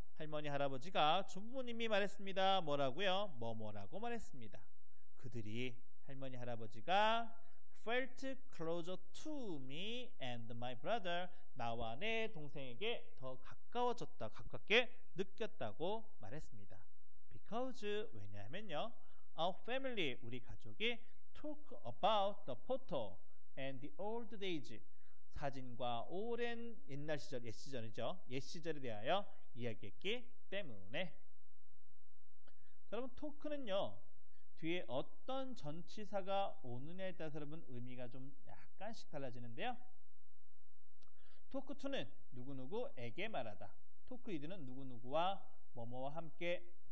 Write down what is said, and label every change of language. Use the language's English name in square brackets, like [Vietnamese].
[Korean] 할머니, 할아버지가 주부모님이 말했습니다. 뭐라고요? 뭐뭐라고 말했습니다. 그들이 할머니, 할아버지가 [English] felt closer to me and my brother, [Korean] 나와 내 동생에게 더 가까워졌다, 가깝게 느꼈다고 말했습니다. [English] Because, [Korean] 왜냐하면요, [English] our family, [Korean] 우리 가족이 [English] talk about the photo and the old days, [Korean] 사진과 오랜 옛날 시절, 옛 시절이죠. 옛 시절에 대하여 이야기했기 때문에. 여러분, 토크는요, 뒤에 어떤 전치사가 오느냐에 따라서 여러분 의미가 좀 약간씩 달라지는데요. 토크 2는 누구누구에게 말하다. 토크 1은 누구누구와 뭐뭐와 함께.